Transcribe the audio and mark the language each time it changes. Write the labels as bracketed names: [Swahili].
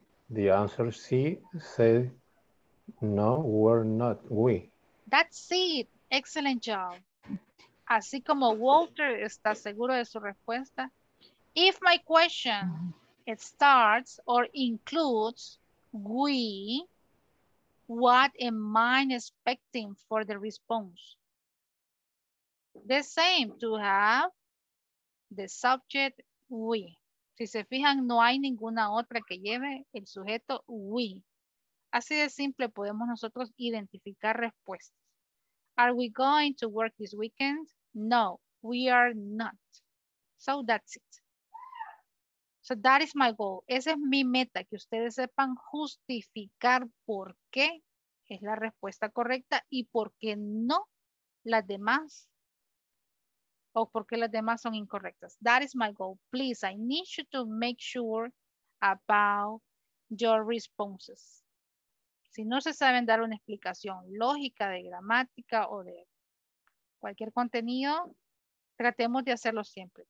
[English] The answer C said, no, we're not, we. That's it. Excellent job. [Spanish] Así como Walter está seguro de su respuesta. [English] If my question, it starts or includes we, what am I expecting for the response? The same, to have the subject, we. [Spanish] Si se fijan, no hay ninguna otra que lleve el sujeto we. Así de simple podemos nosotros identificar respuestas. [English] Are we going to work this weekend? No, we are not. So that's it. So that is my goal. [Spanish] Esa es mi meta, que ustedes sepan justificar por qué es la respuesta correcta y por qué no las demás. O porque las demás son incorrectas. [English] That is my goal. Please, I need you to make sure about your responses. [Spanish] Si no se saben dar una explicación lógica de gramática o de cualquier contenido, tratemos de hacerlo siempre.